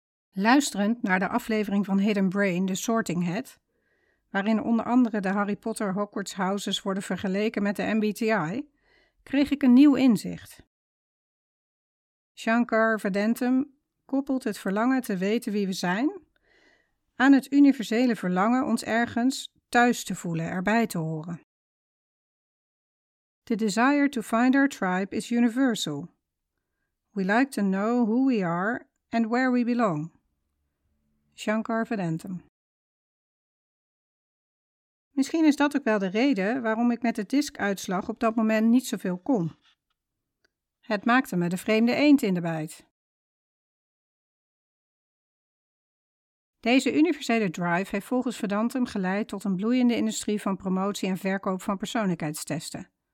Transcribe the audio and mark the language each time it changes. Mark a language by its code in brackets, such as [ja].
[nl] Luisterend naar de aflevering van Hidden Brain, The Sorting Hat, waarin onder andere de Harry Potter Hogwarts houses worden vergeleken met de MBTI, kreeg ik een nieuw inzicht. Shankar Vedantam koppelt het verlangen te weten wie we zijn aan het universele verlangen ons ergens thuis te voelen, erbij te horen. [en] The desire to find our tribe is universal. We like to know who we are and where we belong. Shankar Vedantam. [nl] Misschien is dat ook wel de reden waarom ik met de DISC-uitslag op dat moment niet zoveel kon. Het maakte me de vreemde eend in de bijt. Deze universele drive heeft volgens Vedantam geleid tot een bloeiende industrie van promotie en verkoop van persoonlijkheidstesten.